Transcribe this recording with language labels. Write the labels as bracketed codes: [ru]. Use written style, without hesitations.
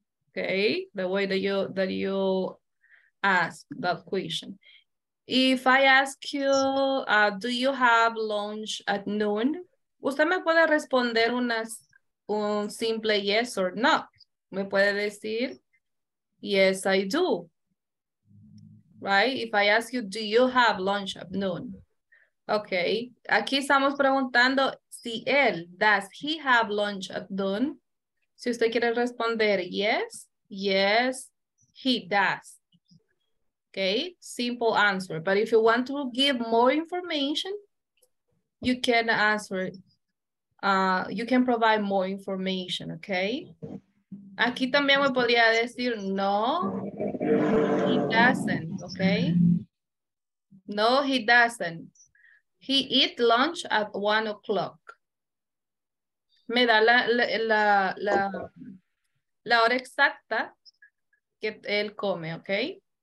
[en] Okay, the way that you ask that question. If I ask you, do you have lunch at noon? [es] Usted me puede responder un simple [en] yes or no. [es] Me puede decir, [en] yes, I do. [es] Right? [en] If I ask you, do you have lunch at noon? Okay. [es] Aquí estamos preguntando si él, [en] does he have lunch at noon? [es] Si usted quiere responder, [en] yes, yes, he does. Okay, simple answer. But if you want to give more information, you can answer. You can provide more information, okay? [es] Aquí también me podría decir, no, [en] he doesn't, [es] okay? [en] No, he doesn't. He eat lunch at 1 o'clock. [es] Me da la hora exacta que él come, okay?